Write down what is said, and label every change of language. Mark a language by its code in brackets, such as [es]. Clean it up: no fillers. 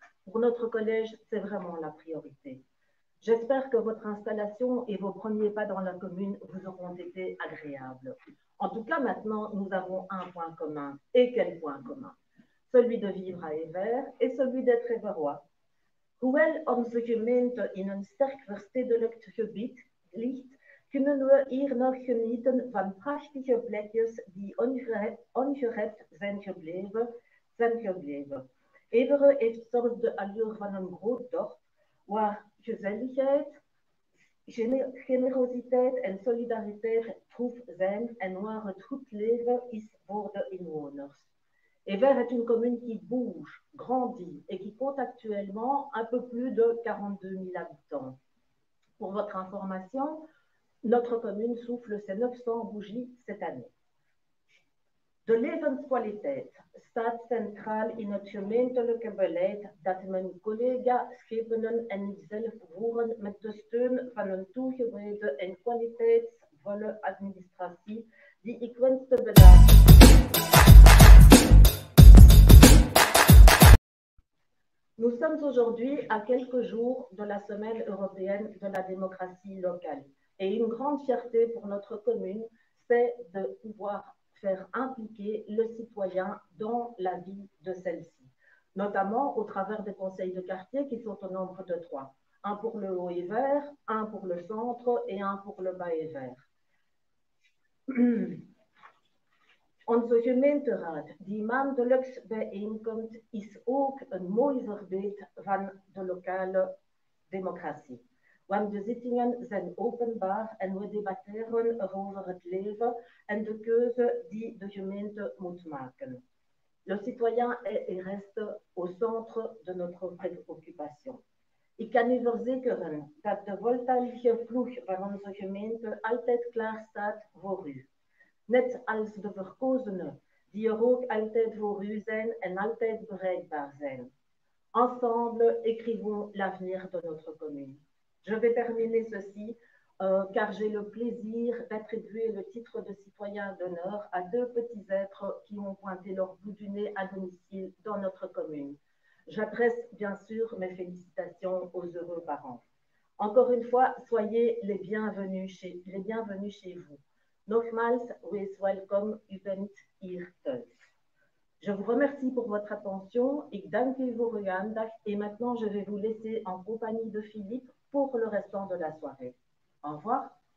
[fr] Pour notre collège, c'est vraiment la priorité. J'espère que votre installation et vos premiers pas dans la commune vous auront été agréables. En tout cas, maintenant, nous avons un point commun. Et quel point commun ? Celui de vivre à Évert et celui d'être Éverois. [nl] Huel omse gemeente in een sterk verstedelijkt gebied ligt, kunnen we hier nog genieten van prachtige plekjes die ongerept zijn gebleven. Éveren heeft soms de allure van een groot dorp, waar gezelligheid, generositeit en solidariteit troef zijn en waar het goed leven is voor de inwoners. [fr] Évert est une commune qui bouge, grandit et qui compte actuellement un peu plus de 42 000 habitants. Pour votre information, notre commune souffle ses 900 bougies cette année. [nl] De levenskwaliteit staat centraal in het gemeentelijke beleid dat mijn collega Schevenen en ikzelf voeren met de steun van een toegewijde en kwaliteitsvolle administratie die ik wens te bedanken. [fr] Nous sommes aujourd'hui à quelques jours de la Semaine européenne de la démocratie locale. Et une grande fierté pour notre commune, c'est de pouvoir faire impliquer le citoyen dans la vie de celle-ci, notamment au travers des conseils de quartier qui sont au nombre de trois. Un pour le Haut-Évert, un pour le Centre et un pour le Bas-Évert. [nl] Onze gemeenteraad, die maandelijks bijeenkomt, is ook een mooi voorbeeld van de lokale democratie. Want de zittingen zijn openbaar en we debatteren over het leven en de keuze die de gemeente moet maken. [fr] Le citoyen est et reste au centre de notre préoccupation. [nl] Ik kan u verzekeren dat de voltallige vloeg van onze gemeente altijd klaar staat voor u. Net als de verkozenen, die er ook altijd voor u zijn en altijd bereikbaar zijn. [fr] Ensemble, écrivons l'avenir de notre commune. Je vais terminer ceci, car j'ai le plaisir d'attribuer le titre de citoyen d'honneur à deux petits êtres qui ont pointé leur bout du nez à domicile dans notre commune. J'adresse bien sûr mes félicitations aux heureux parents. Encore une fois, soyez les bienvenus chez vous. [nl] Nogmaals, wees welkom, u bent hier thuis. [fr] Je vous remercie pour votre attention, [nl] ik dank u voor uw aandacht [fr] et maintenant je vais vous laisser en compagnie de Philippe pour le restant de la soirée. Au revoir.